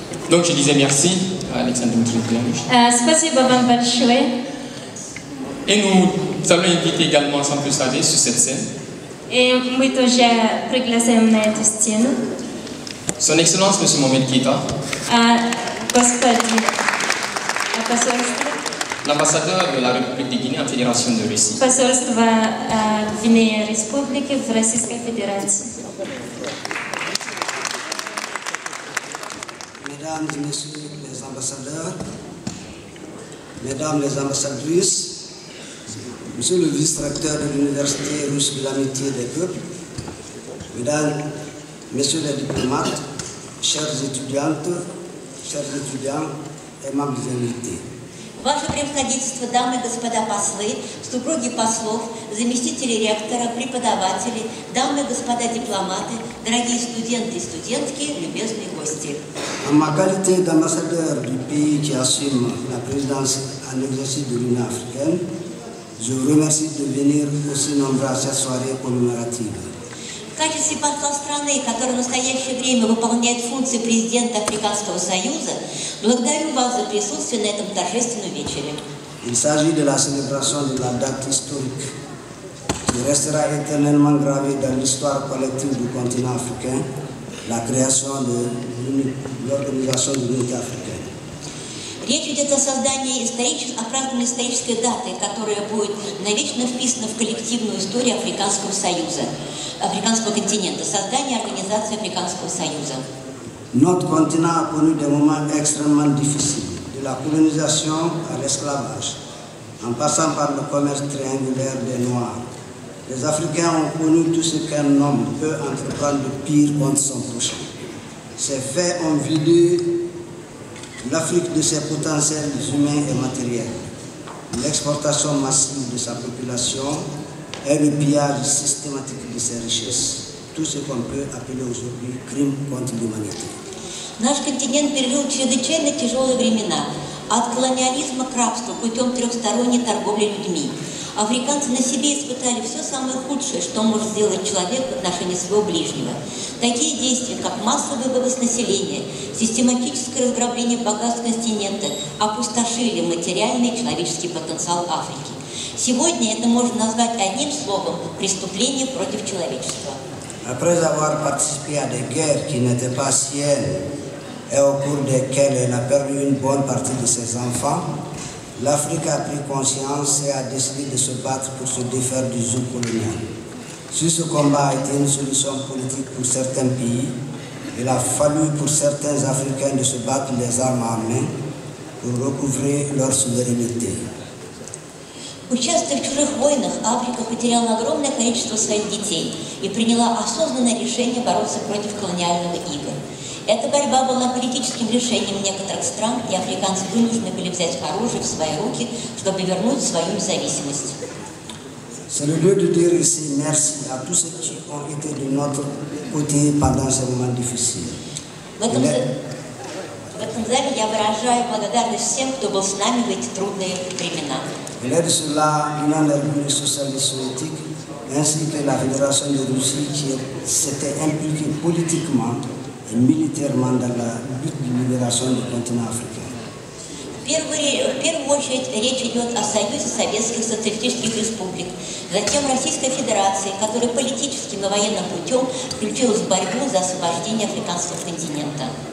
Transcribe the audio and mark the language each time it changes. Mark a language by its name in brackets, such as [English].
[French] Donc je disais merci à Alexandre Dmitriyevich. [Russian] Спасибо вам большое. [French] Et nous allons inviter également, sans plus tarder, sur cette scène. [Russian] И мы тоже пригласим на эту стену. [French] Son Excellence, Monsieur Mohamed Keïta. [Russian] Посольство. [French] L'ambassadeur de la République de Guinée en Fédération de Russie. [Russian] Посольство Гвинеи Республики в Российской Федерации. [French] Mesdames et Messieurs les ambassadeurs, Mesdames les ambassadrices, Monsieur le vice-recteur de l'Université russe de l'Amitié des Peuples, Mesdames, Messieurs les diplomates, chères étudiantes, chers étudiants et membres de l'Amitié. [Russian] Ваше превосходительство, дамы и господа послы, супруги послов, заместители ректора, преподаватели, дамы и господа дипломаты, дорогие студенты и студентки, любезные гости. [French] En ma qualité d'ambassadeur du pays qui assume la présidence en exercice de l'Union africaine, je vous remercie de venir aussi nombreux à cette soirée commémorative. [Russian] В качестве посла страны, который в настоящее время выполняет функции президента Африканского союза, благодарю вас за присутствие на этом торжественном вечере. [French] Il s'agit de la célébration de la date historique qui restera éternellement gravée dans l'histoire collective du continent africain, la création de l'Organisation de l'Unité africaine. [Russian] Речь идет о создании исторической, оправданной исторической даты, которая будет навечно вписана в коллективную историю Африканского союза, Африканского континента, создание Организации Африканского союза. [French] Notre continent a connu des moments extrêmement difficiles, de la colonisation à l'esclavage, en passant par le commerce triangulaire des Noirs. Les Africains ont connu tout ce qu'un homme peut entreprendre de pire contre son prochain. Ces faits ont vidé l'Afrique de ses potentiels humains et matériels, l'exportation massive de sa population et le pillage systématique de ses richesses, tout ce qu'on peut appeler aujourd'hui crime contre l'humanité. [Russian] Наш континент пережил чрезвычайно тяжелые времена, от колониализма к рабству путем трехсторонней торговли людьми. Африканцы на себе испытали все самое худшее, что может сделать человек в отношении своего ближнего. Такие действия, как массовый вывоз населения, систематическое разграбление богатств континента, опустошили материальный и человеческий потенциал Африки. Сегодня это можно назвать одним словом – преступление против человечества. [French] Après avoir participé à des guerres qui n'étaient pas siennes et au cours desquelles elle a perdu une bonne partie de ses enfants, l'Afrique a pris conscience et a décidé de se battre pour se défaire du joug colonial. Si ce combat a été une solution politique pour certains pays, il a fallu pour certains Africains de se battre les armes en main pour recouvrer leur souveraineté. [Russian] Участвуя в чужих войнах, Африка потеряла огромное количество своих детей и приняла осознанное решение бороться против колониального ига. Эта борьба была политическим решением некоторых стран, и африканцы вынуждены были взять оружие в свои руки, чтобы вернуть свою независимость. [French] C'est le lieu de dire ici merci à tous ceux qui ont été de notre côté pendant ce moment difficile. [Russian] В этом зале я выражаю благодарность всем, кто был с нами в эти трудные времена. [French] Il est de cela l'Union des Républiques Socialistes Soviétiques, ainsi que la Fédération de Russie qui s'était impliquée politiquement et militairement dans la lutte de libération du continent africain. [Russian] В первую очередь речь идет о Союзе Советских Социалистических Республик, затем Российской Федерации, которая политическим и военным путем включилась в борьбу за освобождение африканского континента.